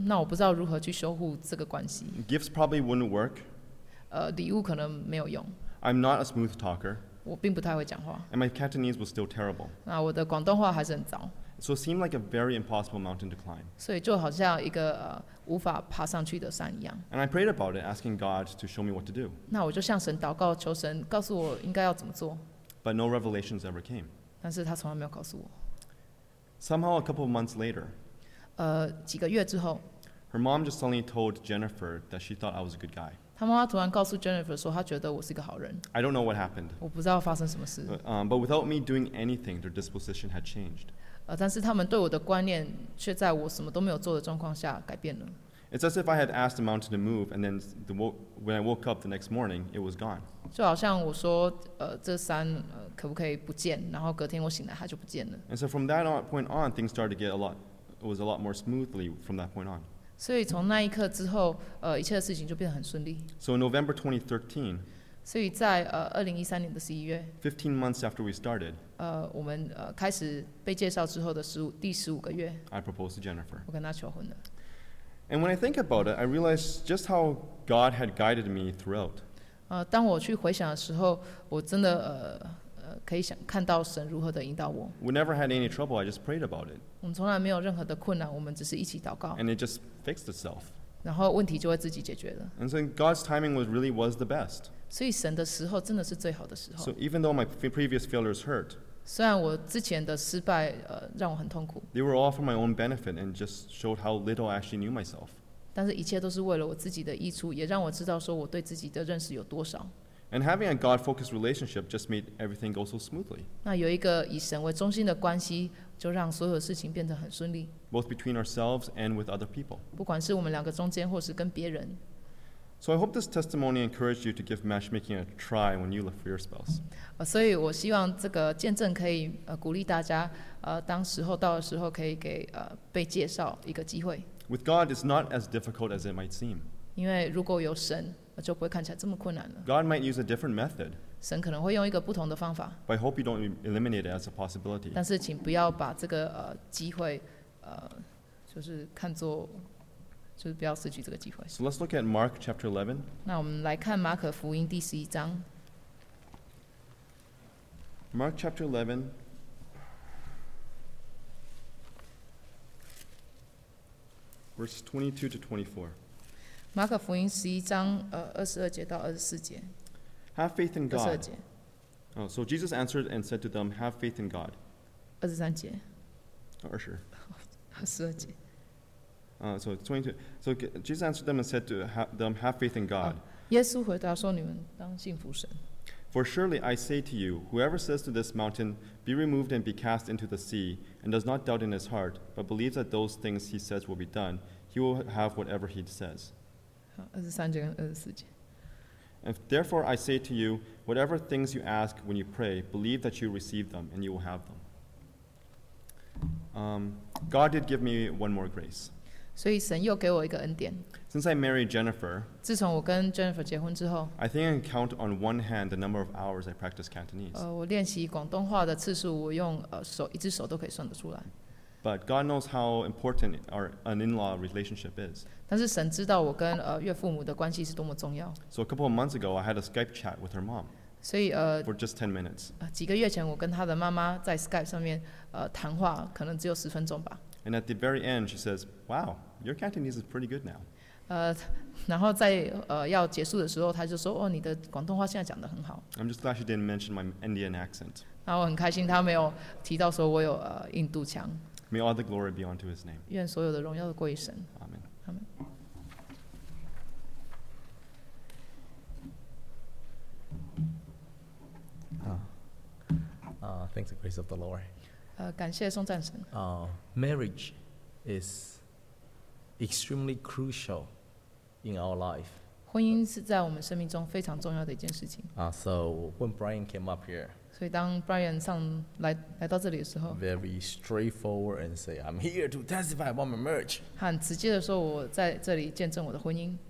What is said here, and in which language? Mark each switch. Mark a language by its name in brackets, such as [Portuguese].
[Chinese] 那我不知道如何去修复这个关系。 [English] Gifts probably wouldn't work. [Chinese] 礼物可能没有用。 [English] I'm not a smooth talker. [Chinese] 我并不太会讲话。 [English] And my Cantonese was still terrible. [Chinese] 那我的广东话还是很糟。 [English] So it seemed like a very impossible mountain to climb. [Chinese] 所以就好像一个无法爬上去的山一样。 [English] And I prayed about it, asking God to show me what to do. [Chinese] 那我就向神祷告，求神告诉我应该要怎么做。 [English] But no revelations ever came. [Chinese] 但是他从来没有告诉我。 [English] Somehow a couple of months later, [Chinese] 几个月之后， [English] her mom just suddenly told Jennifer that she thought I was a good guy. [Chinese] 她妈妈突然告诉 Jennifer 说她觉得我是一个好人。 [English] I don't know what happened. [Chinese] 我不知道发生什么事。 [English] But without me doing anything, their disposition had changed. [Chinese] 但是他们对我的观念却在我什么都没有做的状况下改变了。 [English] It's as if I had asked the mountain to move, and then when I woke up the next morning, it was gone. [Chinese] 就好像我说，这山可不可以不见？然后隔天我醒来，它就不见了。 [English] And so from that point on, things started to get was a lot more smoothly from that point on. [Chinese] 所以从那一刻之后，一切的事情就变得很顺利。 [English] So in November 2013. [Chinese] 所以在2013年的十一月 [English] ，15 months after we started， [Chinese] 我们开始被介绍之后的第十五个月 [English] ，I proposed to Jennifer， [Chinese] 我跟她求婚了。 [English] And when I think about it, I realize just how God had guided me throughout。 [Chinese] 当我去回想的时候，我真的可以想看到神如何的引导我。 [English] We never had any trouble. I just prayed about it。 [Chinese] 我们从来没有任何的困难，我们只是一起祷告。 [English] And it just fixed itself。 [Chinese] 然后问题就会自己解决了。 [English] And so God's timing really was the best。 [Chinese] 所以神的时候真的是最好的时候。 [English] So even though my previous failures hurt, [Chinese] 虽然我之前的失败让我很痛苦。 [English] They were all for my own benefit and just showed how little I actually knew myself. [Chinese] 但是一切都是为了我自己的益处，也让我知道说我对自己的认识有多少。 [English] And having a God-focused relationship just made everything go so smoothly. [Chinese] 那有一个以神为中心的关系，就让所有事情变得很顺利。 [English] Both between ourselves and with other people. [Chinese] 不管是我们两个中间，或是跟别人。 [English] So I hope this testimony encouraged you to give matchmaking a try when you look for your spouse. [Chinese] 所以我希望这个见证可以鼓励大家，当时候到的时候可以给被介绍一个机会。 [English] With God, it's not as difficult as it might seem. [Chinese] 因为如果有神，就不会看起来这么困难了。 [English] God might use a different method. [Chinese] 神可能会用一个不同的方法。 [English] But I hope you don't eliminate it as a possibility. [Chinese] 但是请不要把这个机会就是看作。就是不要失去这个机会。 [English] So let's look at Mark chapter 11. [Chinese] 那我们来看马可福音第十一章。 [English] Mark chapter 11. Verses 22 to 24. [Chinese] 马可福音十一章22节到24节。 [English] Have faith in God. So Jesus answered and said to them, have faith in God. [Chinese] 23节。 22节。 [English] So Jesus answered them and said to them, have faith in God. [Chinese] 耶稣回答说，你们当信服神。 [English] For surely I say to you, whoever says to this mountain, be removed and be cast into the sea, and does not doubt in his heart, but believes that those things he says will be done, he will have whatever he says. [Chinese] 23节跟24节。 [English] And therefore I say to you, whatever things you ask when you pray, believe that you receive them, and you will have them. God did give me one more grace. [Chinese] 所以神又给我一个恩典。 [English] Since I married Jennifer, [Chinese] 自从我跟 Jennifer 结婚之后， [English] I think I can count on one hand the number of hours I practice Cantonese. [Chinese] 我练习广东话的次数，我用一只手都可以算得出来。 [English] But God knows how important our an in-law relationship is. [Chinese] 但是神知道我跟岳父母的关系是多么重要。 [English] So a couple of months ago, I had a Skype chat with her mom. [Chinese] 所以 [English] for just 10 minutes. [Chinese] 几个月前，我跟她的妈妈在 Skype 上面谈话，可能只有十分钟吧。 [English] And at the very end, she says, "Wow, your Cantonese is pretty good now." [Chinese] 然后在要结束的时候，她就说，哦，你的广东话现在讲得很好。 [English] I'm just glad she didn't mention my Indian accent. [Chinese] 然后我很开心，她没有提到说我有印度腔。 [English] May all the glory be unto His name. [Chinese] 愿所有的荣耀都归于神。 [English] Amen. Amen. Thanks, the grace of the Lord. [Chinese] 感谢颂赞神。 [English] Marriage is extremely crucial in our life. [Chinese] 婚姻是在我们生命中非常重要的一件事情。 [English] So when Brian came up here, [Chinese] 所以当 Brian 来到这里的时候 [English] ，very straightforward and say, "I'm here to testify about my marriage." [Chinese] 他很直接的说，我在这里见证我的婚姻。